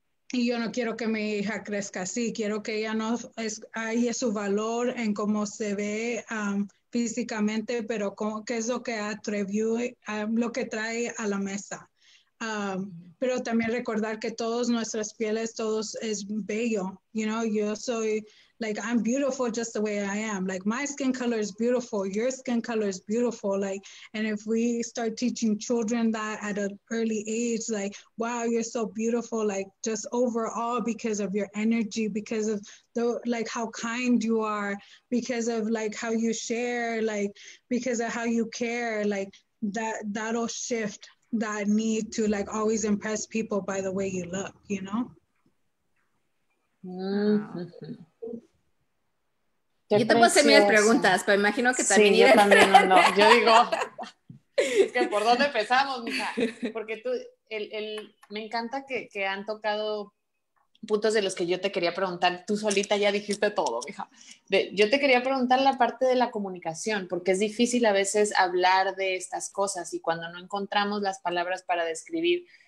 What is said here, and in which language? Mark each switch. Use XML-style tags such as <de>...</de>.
<es>Y yo no quiero que mi hija crezca así, quiero que ella no haya su valor en cómo se ve físicamente, pero qué es lo que atrevió, lo que trae a la mesa. Pero también recordar que todos nuestras pieles, todos es bello.</es> <en>You know,</en> <es>yo soy,</es> <en>like, I'm beautiful just the way I am. Like, my skin color is beautiful. Your skin color is beautiful. Like, and if we start teaching children that at an early age, like, wow, you're so beautiful. Like, just overall because of your energy, because of, the like, how kind you are, because of, like, how you share, like, because of how you care, like, that'll shift that need to, like, always impress people by the way you look, you know?</en> <es>Yo te puedo hacer mil preguntas, pero imagino que también. Sí, yo también, no. Yo digo, es que ¿por dónde empezamos, mija? Porque tú, me encanta que han tocado puntos de los que yo te quería preguntar. Tú solita ya dijiste todo, mija. Yo te quería preguntar la parte de la comunicación, porque es difícil a veces hablar de estas cosas y cuando no encontramos las palabras para describir.</es>